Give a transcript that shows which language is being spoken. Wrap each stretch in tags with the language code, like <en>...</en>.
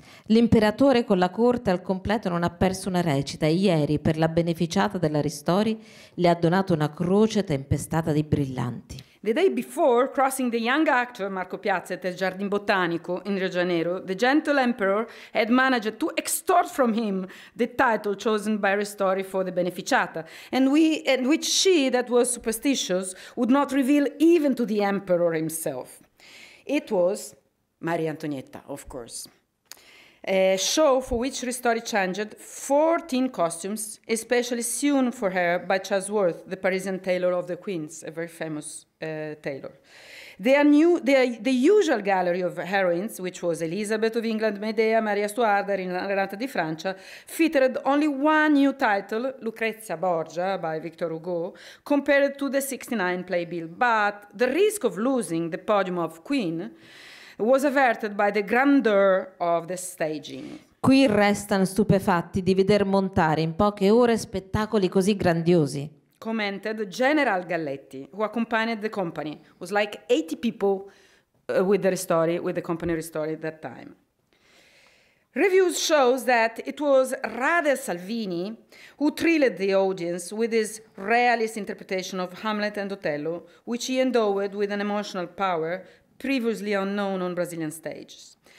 <it>L'imperatore con la corte al completo non ha perso una recita. Ieri, per la beneficiata della Ristori, le ha donato una croce tempestata di brillanti.</it> <en>The day before, crossing the young actor Marco Piazza at the Jardin Botanico in Rio de Janeiro, the gentle emperor had managed to extort from him the title chosen by Ristori for the beneficiata, and which she, that was superstitious, would not reveal even to the emperor himself. It was Maria Antonietta, of course. A show for which Ristori changed 14 costumes, especially sewn for her by Charles Worth, the Parisian tailor of the Queens, a very famous tailor. The usual gallery of heroines, which was Elizabeth of England, Medea, Maria Stuarda, Renata di Francia, featured only one new title, Lucrezia Borgia by Victor Hugo, compared to the 69 playbill. But the risk of losing the podium of Queen was averted by the grandeur of the staging.</en> <it>Qui restano stupefatti di veder montare in poche ore spettacoli così grandiosi.</it> <en>Commented General Galletti, who accompanied the company. It was like 80 people with the company Ristori at that time. Reviews shows that it was rather Salvini who thrilled the audience with his realist interpretation of Hamlet and Othello, which he endowed with an emotional power previously unknown on Brazilian stages.</en>